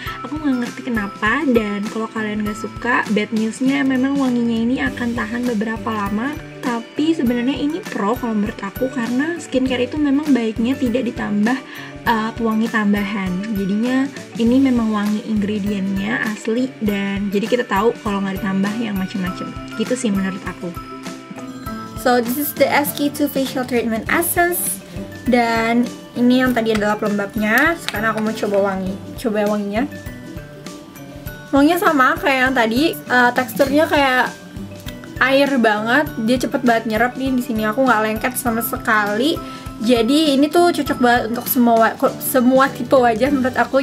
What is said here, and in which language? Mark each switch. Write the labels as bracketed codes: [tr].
[id] Aku nggak ngerti kenapa. Dan kalau kalian nggak suka, bad newsnya memang wanginya ini akan tahan beberapa lama. Tapi sebenarnya ini pro kalau menurut aku, karena skincare itu memang baiknya tidak ditambah pewangi tambahan. Jadinya ini memang wangi ingredientnya asli, dan jadi kita tahu kalau nggak ditambah yang macam-macam. Gitu sih menurut aku. [en] So this is the SK2 facial treatment essence. [id] Dan ini yang tadi adalah pelembabnya. Sekarang aku mau coba wangi. Coba wanginya. Wanginya sama kayak yang tadi. Teksturnya kayak air banget, dia cepet banget nyerap nih di sini. Aku nggak lengket sama sekali. Jadi ini tuh cocok banget untuk semua tipe wajah menurut aku.